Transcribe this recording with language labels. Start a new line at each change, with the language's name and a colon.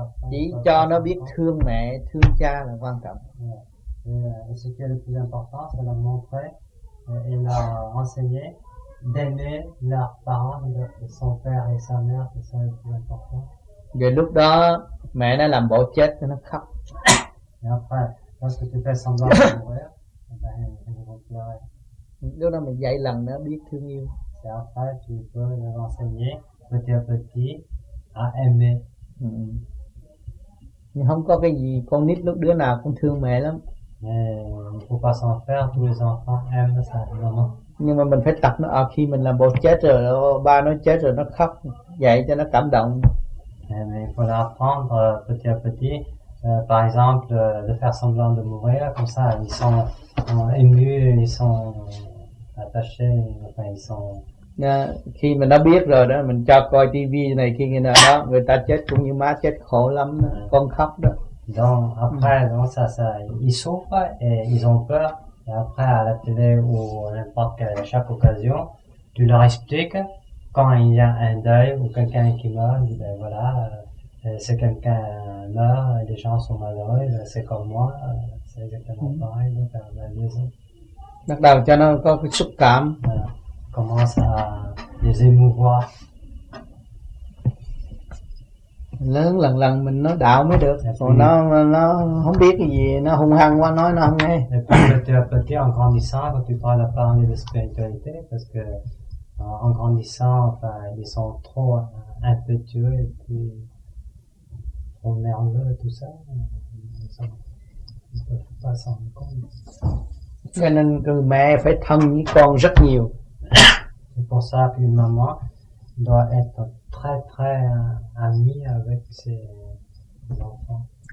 Vietnamese: Chỉ cho nó biết thương mẹ, thương cha là quan trọng.
French: Ce qui est le plus important, c'est de montrer et de leur enseigner d'aimer leurs parents, son père et sa mère, c'est ça le plus important.
Vietnamese: Rồi lúc đó mẹ nó làm bộ chết nó khóc.
French: Et après, lorsque tu fais semblant de mourir, ils vont pleurer.
Vietnamese: Lúc đó mình dạy lần nó biết thương yêu.
French: Et après, tu peux leur enseigner petit à petit à aimer.
Vietnamese: Nhưng không có cái gì, con nít lúc đứa nào cũng thương mẹ lắm.
French: Mais faut pas s'en faire, tous les enfants aiment ça, maman.
Vietnamese: Nhưng mà mình phải tập nó à, khi mình làm bố chết rồi đó, ba nó chết rồi nó khóc dạy cho nó cảm động.
French: Mais il faut l'apprendre petit à petit, par exemple de faire semblant de mourir comme ça ils sont émus, ils sont attachés, enfin ils sont.
Vietnamese: Khi mà nó biết rồi đó mình cho coi tivi này khi nghe nào đó người ta chết cũng như má chết khổ lắm đó. Con khóc đó.
French: Donc après donc ça ils souffrent et ils ont peur. Et après, à la télé ou à n'importe quelle, chaque occasion, tu leur expliques quand il y a un deuil ou quelqu'un qui meurt, dis, ben voilà, si quelqu'un meurt et les gens sont malheureux, ben c'est comme moi, c'est exactement pareil, donc à la maison.
Vietnamese: Bắt đầu cho nó có cái xúc cảm.
French: Commence à les émouvoir.
Vietnamese: lớn lần lần mình nói đạo mới được, còn nó không biết cái gì, nó hung hăng quá nói nó không nghe.
French: Et puis petit en grandissant, quand tu parles à parler de spiritualité, parce que en grandissant, enfin, ils sont trop impétueux et puis trop nerveux, tout ça. Ils ne peuvent pas s'en rendre compte.
Vietnamese: Cho nên mẹ phải thân với con rất nhiều.
French: C'est pour ça qu'une maman doit être très très amie avec ses enfants.